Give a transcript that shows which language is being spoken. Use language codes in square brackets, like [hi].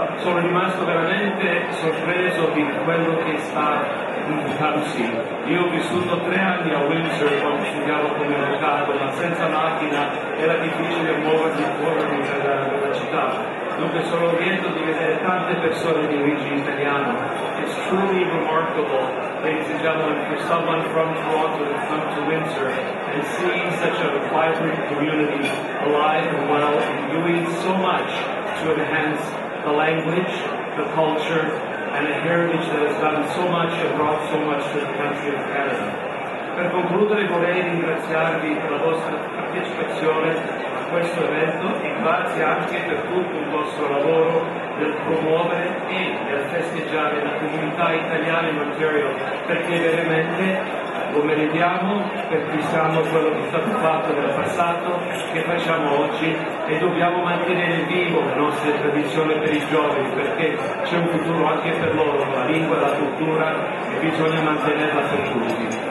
[it] Sono rimasto veramente sorpreso di quello che sta Sì. Io ho vissuto 3 anni a Windsor quando studiavo come avvocato, ma senza macchina era difficile muovermi fuori dalla città. Dunque sono lieto di vedere tante persone di origine italiana. [en] It's truly remarkable, ladies and gentlemen, for someone from Toronto to come to Windsor and seeing such a vibrant community alive and well and doing so much to enhance the language, the culture, and a heritage that has done so much and brought so much to the country of Canada. [it] Per concludere vorrei ringraziarvi per la vostra partecipazione a questo evento e grazie anche per tutto il vostro lavoro nel promuovere e nel festeggiare la comunità italiana in Ontario, perché veramente lo meritiamo, perché siamo quello che è stato fatto nel passato, che facciamo oggi, e dobbiamo mantenere vivo le nostre tradizioni per I giovani, perché c'è un futuro anche per loro, la lingua, la cultura, e bisogna mantenerla per tutti.